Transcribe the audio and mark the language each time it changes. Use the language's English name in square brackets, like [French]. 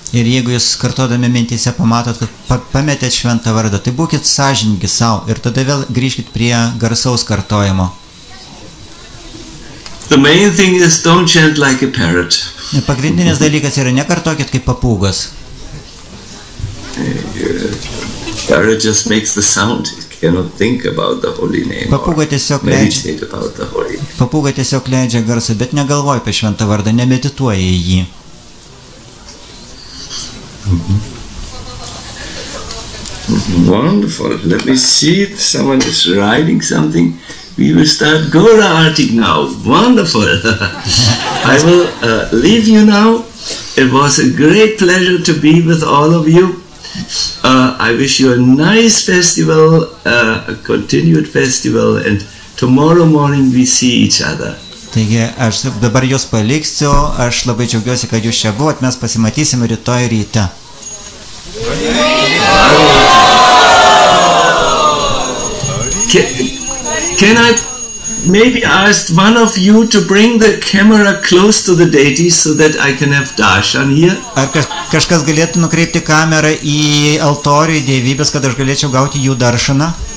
[Lithuanian] Ir jeigu jūs kartodami mintyse pamatot, kad pametėt šventą vardą, tai būkit sąžiningi sau ir tada vėl grįžkit prie garsaus kartojimo. [English] The main thing is don't chant like a parrot. [Lithuanian] Pagrindinis dalykas yra nekartokit kaip papūgas. [English] Parrot just makes the sound. It cannot think about the holy name. [Lithuanian] Papūga tiesiog leidžia. Papūga tiesiog leidžia garsą, bet negalvoja apie šventą vardą, nemedituoja į jį. [English] Mm-hmm. Wonderful. Let me see if someone is writing something. We will start Gaura Arati now. Wonderful. I will leave you now. It was a great pleasure to be with all of you. I wish you a nice festival, a continued festival, and tomorrow morning we see each other. [Lithuanian] Taigi, aš dabar jūs paliksiu, aš labai džiaugiuosi, kad jūs čia buvot, mes pasimatysim rytoj ryte. [English] Can I maybe ask one of you to bring the camera close to the deity so that I can have darshan here? [Lithuanian] Ar kažkas galėtų nukreipti kamerą į altorių, į dievybės, kad aš galėčiau gauti jų darshaną?